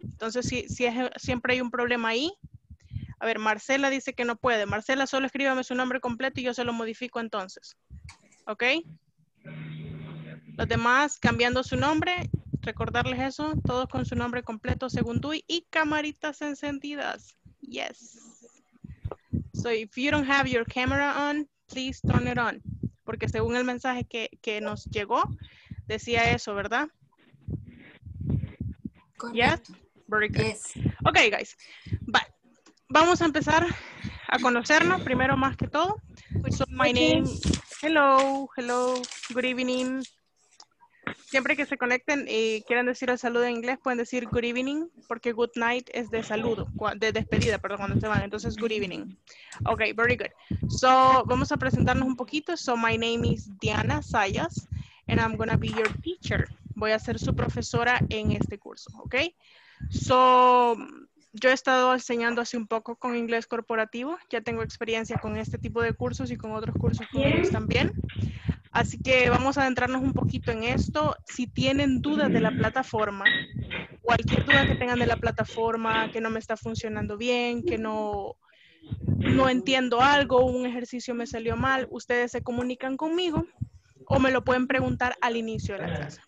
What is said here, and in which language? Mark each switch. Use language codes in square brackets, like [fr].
[es] Entonces, siempre hay un problema ahí. A ver, Marcela dice que no puede. Marcela, solo escríbame su nombre completo y yo se lo modifico entonces. ¿Ok? Los demás, cambiando su nombre, recordarles eso. Todos con su nombre completo según Dui y camaritas encendidas. [en] Yes. So, if you don't have your camera on, please turn it on. [es] Porque según el mensaje que nos llegó, decía eso, ¿verdad? Correcto. [en] Yes? Very good. Yes. Ok, guys. Bye. [es] Vamos a empezar a conocernos primero más que todo. [en] So my name, hello, good evening. [es] Siempre que se conecten y quieran decir el saludo en inglés, pueden decir [en] good evening, [es] porque [en] good night [es] es de saludo, de despedida, perdón, cuando se van. Entonces, [en] good evening. Ok, very good. So, [es] vamos a presentarnos un poquito. [en] So, my name is Diana Sayas, and I'm gonna be your teacher. [es] Voy a ser su profesora en este curso, ok? [en] So, [es] yo he estado enseñando hace un poco con inglés corporativo. Ya tengo experiencia con este tipo de cursos y con otros cursos públicos también. Así que vamos a adentrarnos un poquito en esto. Si tienen dudas de la plataforma, cualquier duda que tengan de la plataforma, que no me está funcionando bien, que no entiendo algo, un ejercicio me salió mal, ustedes se comunican conmigo o me lo pueden preguntar al inicio de la clase.